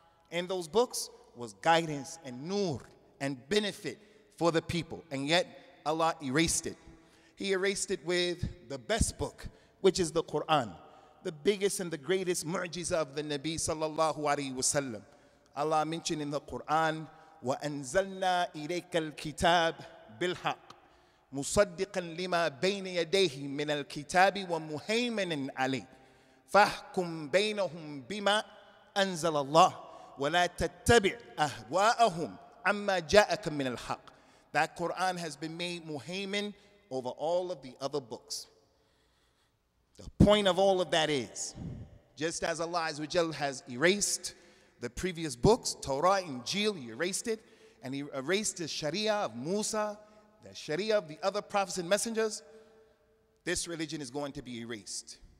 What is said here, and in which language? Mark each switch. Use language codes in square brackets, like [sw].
[en] In those books was guidance and nur and benefit for the people. And yet Allah erased it. He erased it with the best book, which is the Quran, the biggest and the greatest mu'jiza of the Nabi [ar] sallallahu alayhi wa sallam. [en] Allah mentioned in the Quran, [ar] وَأَنزَلْنَا إِلَيْكَ الْكِتَابِ بِالْحَقِّ مُصَدِّقًا لِمَا بَيْنَ يَدَيْهِ مِنَ الْكِتَابِ وَمُهَيْمَنًا عَلَيْهِ فَاحْكُمْ بَيْنَهُمْ بِمَا أَنزَلَ اللَّهُ وَلَا تَتَّبِعْ أَهْوَاءَهُمْ عَمَّا جَاءَكَ مِنَ الْحَقِّ. [en] That Quran has been made muhaymin over all of the other books. The point of all of that is, just as Allah [ar] Azza wa Jalla [en] has erased the previous books, Torah, Injil, He erased it, and He erased the Sharia of Musa, the Sharia of the other prophets and messengers, this religion is going to be erased.